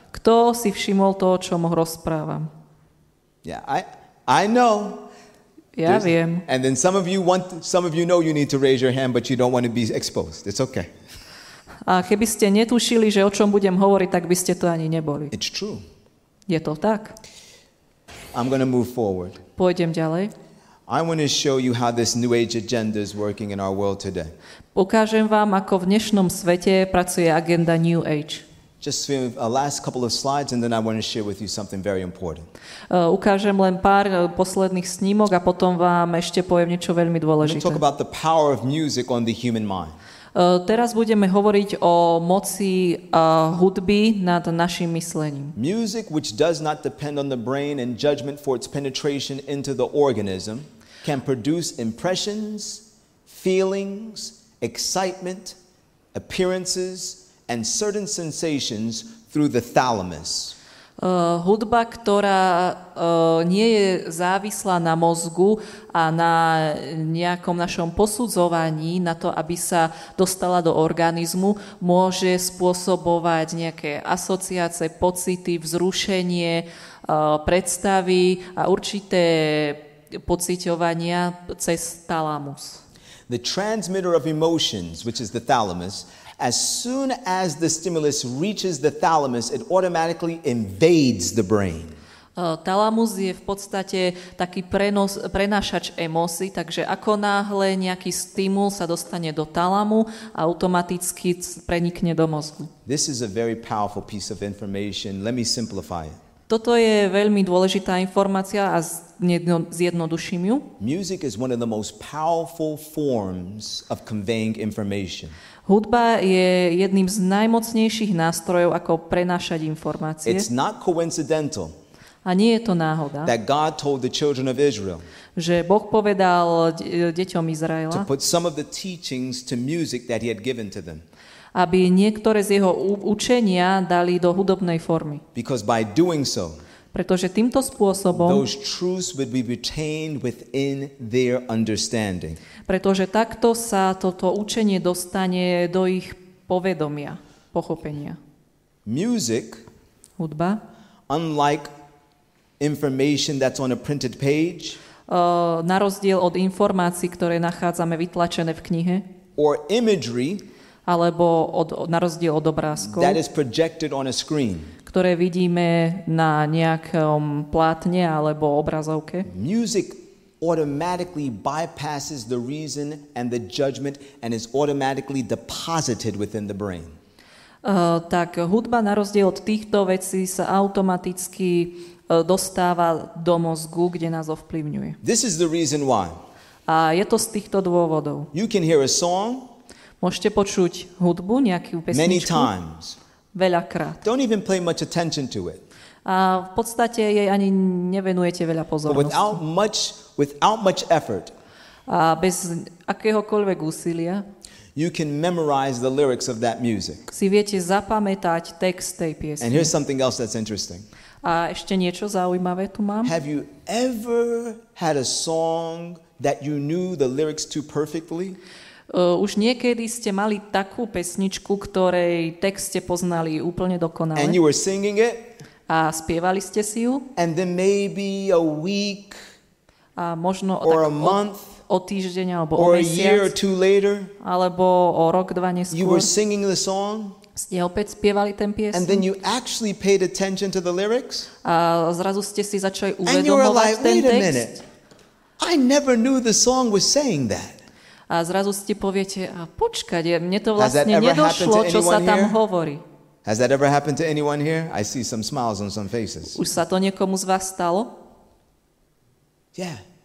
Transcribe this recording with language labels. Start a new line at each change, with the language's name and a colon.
Slovak: Kto si všimol to, o čom rozprávam?
English: Yeah, I know.
Slovak: Ja viem.
English: And then some of you know you need to raise your hand, but you don't want to be exposed. It's okay.
Slovak: A keby ste netušili, že o čom budem hovoriť, tak by ste to ani neboli.
English: It's true.
Slovak: Je to tak.
English: I'm going to move forward.
Slovak: Pôjdem ďalej.
English: I want to show you how this new age agenda is working in our world today.
Slovak: Ukážem vám, ako v dnešnom svete pracuje agenda New Age.
English: Just a last couple of slides and then I want to share with you something very important.
Slovak: Ukážem len pár posledných snímok a potom vám ešte poviem niečo veľmi dôležité.
English: Talk about the power of music on the human mind.
Slovak: Teraz budeme hovoriť o moci hudby nad našim myslením.
English: Music which does not depend on the brain and judgment for its penetration into the organism can produce impressions, feelings, excitement, appearances and certain sensations through the thalamus.
Slovak: Hudba, ktorá nie je závislá na mozgu a na nejakom našom posudzovaní na to, aby sa dostala do organizmu, môže spôsobovať nejaké asociácie, pocity, vzrušenie, predstavy a určité pociťovania cez thalamus.
English: The transmitter of emotions, which is the thalamus, as soon as the stimulus reaches the thalamus, it automatically invades the brain.
Slovak: Thalamus je v podstate taký prenášač emócií, takže ako náhle nejaký stimul sa dostane do thalamu, automaticky prenikne do mozgu.
English: This is a very powerful piece of information. Let me simplify it.
Slovak: Toto je veľmi dôležitá informácia a zjednoduším ju.
English: Music is one of the most powerful forms of conveying information.
Slovak: Hudba je jedným z najmocnejších nástrojov, ako prenášať informácie.
English: It's not coincidental.
Slovak: A nie je to náhoda.
English: That God told the children of Israel.
Slovak: Že Boh povedal deťom Izraela.
English: To put some of the teachings to music that he had given to them.
Slovak: Aby niektoré z jeho učenia dali do hudobnej formy.
English: Because by doing so.
Slovak: Pretože týmto spôsobom.
English: Those truths would be retained within their understanding.
Slovak: Pretože takto sa toto učenie dostane do ich povedomia, pochopenia.
English: Music,
Slovak: hudba,
English: unlike information that's on a printed page,
Slovak: na rozdiel od informácií, ktoré nachádzame vytlačené v knihe,
English: or imagery,
Slovak: alebo na rozdiel od obrázkov,
English: that is projected on a screen,
Slovak: ktoré vidíme na nejakom plátne alebo obrazovke.
English: Music automatically bypasses the reason and the judgment and is automatically deposited within the brain.
Slovak: Tak hudba na rozdiel od týchto vecí sa automaticky dostáva do mozgu, kde nás ovplyvňuje.
English: This is the reason why.
Slovak: A je to z týchto dôvodov.
English: You can hear a song.
Slovak: Môžete počuť hudbu, nejakú pesničku.
English: Many times.
Slovak: Veľakrát.
English: Don't even pay much attention to it.
Slovak: A v podstate jej ani nevenujete veľa pozornosti.
English: Without much effort.
Slovak: A bez akéhokoľvek úsilia.
English: You can memorize the lyrics of that music.
Slovak: Si viete zapamätať text tej piesne.
English: And here's something else that's interesting.
Slovak: A ešte niečo zaujímavé tu mám.
English: Have you ever had a song that you knew the lyrics to perfectly?
Slovak: Už niekedy ste mali takú pesničku, ktorej text ste poznali úplne dokonale.
English: And you were singing it?
Slovak: A spievali ste si ju?
English: And then maybe a week,
Slovak: a možno
English: or a month,
Slovak: o týždeň alebo
English: or
Slovak: o mesiac,
English: a year or two later,
Slovak: alebo o rok, dva neskôr,
English: you were singing the song,
Slovak: ste opäť spievali ten piesň,
English: and then you actually paid attention to the lyrics,
Slovak: a zrazu ste si začali uvedomovať ten text,
English: I never knew the song was saying that.
Slovak: A zrazu si poviete, a počkať, mne to vlastne nedošlo, čo sa tam hovorí.
English: Has that ever happened to anyone here? I see some smiles on some faces.
Slovak: Už sa to niekomu z vás stalo?
English: Yeah.